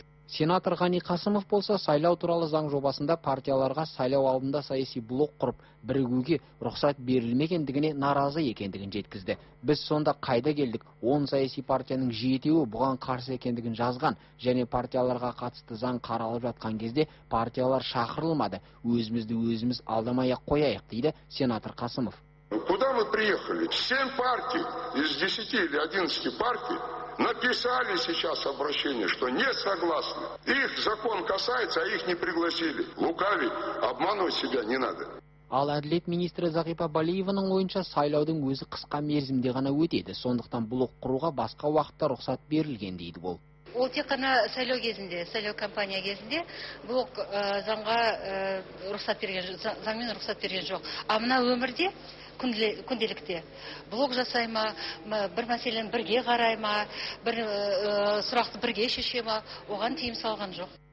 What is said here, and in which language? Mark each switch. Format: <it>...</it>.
<kk>Сенатор Ғани Қасымов болса, сайлау туралы заң жобасында партияларға сайлау алдында саяси блок құрып, бірігуге рұқсат берілмегендігіне наразы екендігін жеткізді. Біз сонда қайда келдік? 10 саяси партияның 7-і бұған қарсы екендігін жазған, және партияларға қатысты заң қаралып жатқан кезде партиялар шақырылмады. Өзімізді өзіміз алдамай-ақ қояйық, дейді сенатор Қасымов.</kk> <ru>Куда мы приехали? 7 партий из 10 или 11 партий написали сейчас обращение, что не согласны. Их закон касается, а их не пригласили. Лукавить, обманывать себя не надо.</ru> <kk>Ал әділет министрі Зағипа Балиеваның ойынша сайлаудың өзі қысқа мерзімде ғана өтеді. Сондықтан блок құруға басқа уақытта рұқсат берілген, дейді ол. Ол тек қана сайлау кезінде, сайлау кампания кезінде блок заңға рұқсат берген, заңмен рұқсат берген жоқ. А мына өмірде күнделікте блок жасай ма, бір мәселен бірге қарай ма, бір сұрақты бірге шеше ма, оған тыйым салған жоқ.</kk>